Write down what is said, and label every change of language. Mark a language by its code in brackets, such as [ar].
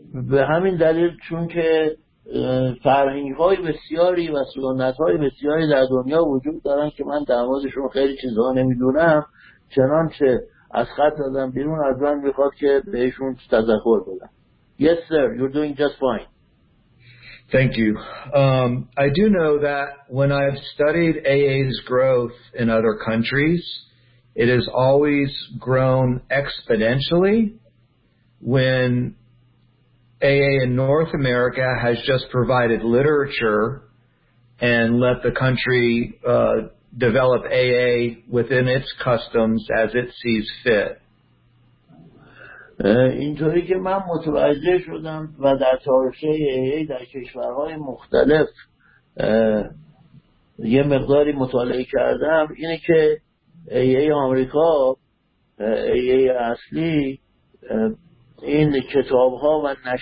[fa] به همین دلیل چون که فرهنگ‌های بسیاری و سنت‌های بسیاری در دنیا وجود دارن که من در موردشون خیلی چیزها نمی‌دونم، چنانچه از خط زدم بیرون از من می‌خواد که بهشون تذکر بدم. [en] Yes sir, you're doing just fine. Thank you. I do know that when I've studied AA's growth in other countries, it has always grown exponentially when AA in North America has just provided literature and let the country develop AA within its customs as it sees fit. [fa] اینطوری که من متوجه شدم و در تاریخ ای در کشورهای مختلف یه مقداری مطالعه کردم اینه که ای آمریکا ای اصلی این کتابها و